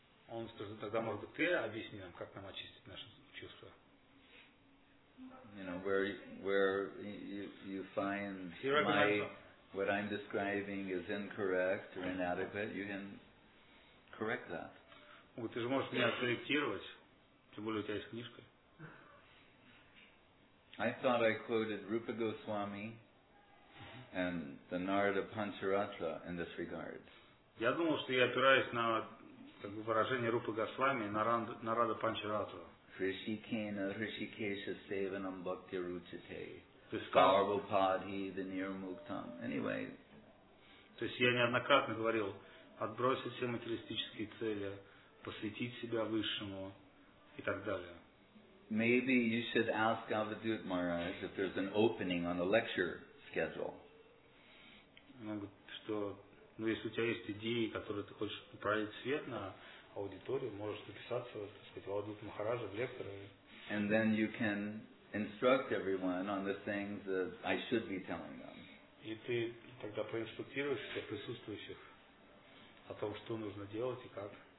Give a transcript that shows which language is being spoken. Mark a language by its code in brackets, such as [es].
[ru] Он скажет, тогда может быть ты объясни нам, как нам очистить наши чувства. [en] You know where you find what I'm describing is incorrect or inadequate, you can correct that. [ru] Ты же можешь меня откорректировать, тем более у тебя есть книжка. [en] I thought I quoted Rupa Goswami and the Narada Pancharatra in this regard. [ru] Я думал, что я опираюсь на как бы выражение Рупы Госвами и Нарада Панчаратра. [sa] Хришикена Хришикеша Севанам Бхакти Ручите. [ru] То есть как? [sa] Сарвападхи Даниир Муктам. [en] Anyway. [ru] То есть я неоднократно говорил, отбросить все материалистические цели, посвятить себя высшему и так далее. [en] Maybe you should ask Avadhut Maharaj if there's an opening on the lecture schedule. [ru] Он говорит, что ну если у тебя есть идеи, которые ты хочешь пролить свет на аудиторию, можешь записаться, так сказать, в Авадхут Махараджа, в лекторы. [en] And then you can instruct everyone on the things that I should be telling them. [ru] И ты тогда проинструктируешь всех присутствующих о том, что нужно делать и как.